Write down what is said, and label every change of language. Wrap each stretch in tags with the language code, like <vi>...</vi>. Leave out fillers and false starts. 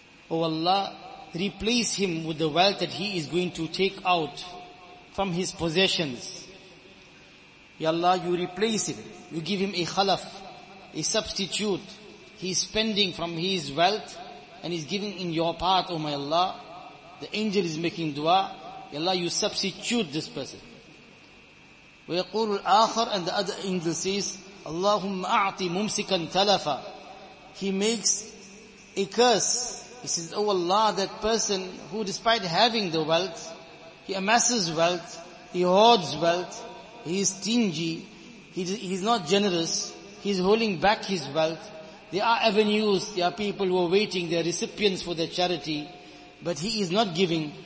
<en>O Allah, replace him with the wealth that he is going to take out from his possessions. Ya Allah, you replace him, you give him a khalaf, a substitute. He is spending from his wealth and is giving in your path, O my Allah. The angel is making dua. Ya Allah, you substitute this person.</en> <ar>ويقول الآخر,</ar> <en>and the other angel says,</en> <ar>اللهم أعطي ممسكا تلفا.</ar> <en>He makes a curse. He says, oh Allah, that person who despite having the wealth, he amasses wealth, he hoards wealth, he is stingy, he is not generous, he is holding back his wealth. There are avenues, there are people who are waiting, there are recipients for their charity, but he is not giving.</en>